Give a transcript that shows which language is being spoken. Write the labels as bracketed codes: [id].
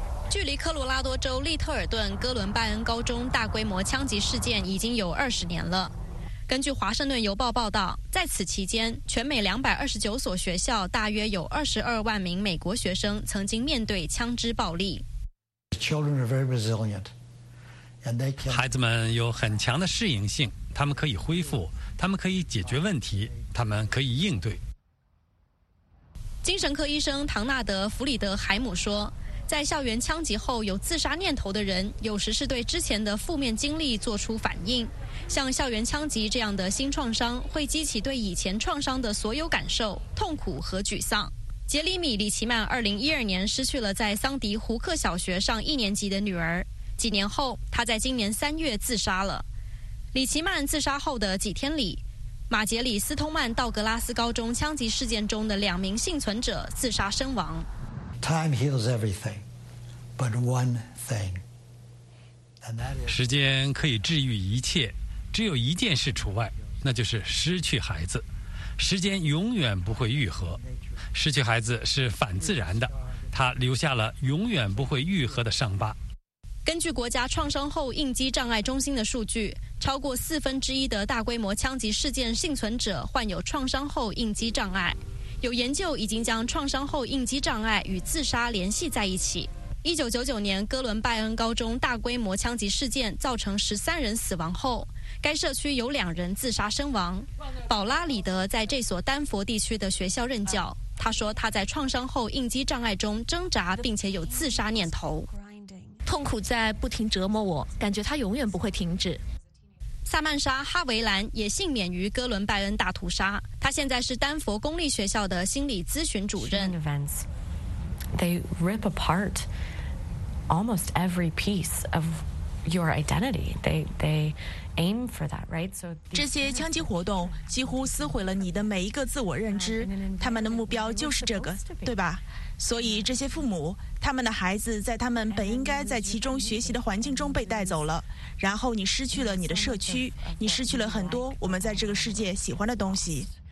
[zh] 距离科罗拉多州利特尔顿哥伦拜恩高中大规模枪击事件已经有20年了。根据《华盛顿邮报》报道，在此期间，全美229所学校大约有22万名美国学生曾经面对枪支暴力。 [en] Children are very resilient, and they can. [zh] 孩子们有很强的适应性，他们可以恢复，他们可以解决问题，他们可以应对。精神科医生唐纳德·弗里德海姆说，在校园枪击后有自杀念头的人，有时是对之前的负面经历做出反应。像校园枪击这样的新创伤会激起对以前创伤的所有感受，痛苦和沮丧。杰里米·里奇曼2012年失去了在桑迪胡克小学上一年级的女儿，几年后他在今年3月自杀了。里奇曼自杀后的几天里，马杰里斯通曼道格拉斯高中枪击事件中的两名幸存者自杀身亡。 [en] Time heals everything, but one thing. And that is. [zh] 时间可以治愈一切，只有一件事除外，那就是失去孩子。时间永远不会愈合，失去孩子是反自然的，它留下了永远不会愈合的伤疤。根据国家创伤后应激障碍中心的数据，超过1/4的大规模枪击事件幸存者患有创伤后应激障碍。有研究已经将创伤后应激障碍与自杀联系在一起。 1999年哥伦拜恩高中大规模枪击事件造成13人死亡后，该社区有2人自杀身亡。宝拉·里德在这所丹佛地区的学校任教，他说他在创伤后应激障碍中挣扎，并且有自杀念头。痛苦在不停折磨我，感觉它永远不会停止。萨曼莎·哈维兰也幸免于哥伦拜恩大屠杀，她现在是丹佛公立学校的心理咨询主任。 [en] They rip apart almost every piece of your identity. They aim for that, right? So [zh] 这些枪击活动几乎撕毁了你的每一个自我认知，他们的目标就是这个，对吧？所以这些父母，他们的孩子在他们本应该在其中学习的环境中被带走了，然后你失去了你的社区，你失去了很多我们在这个世界喜欢的东西。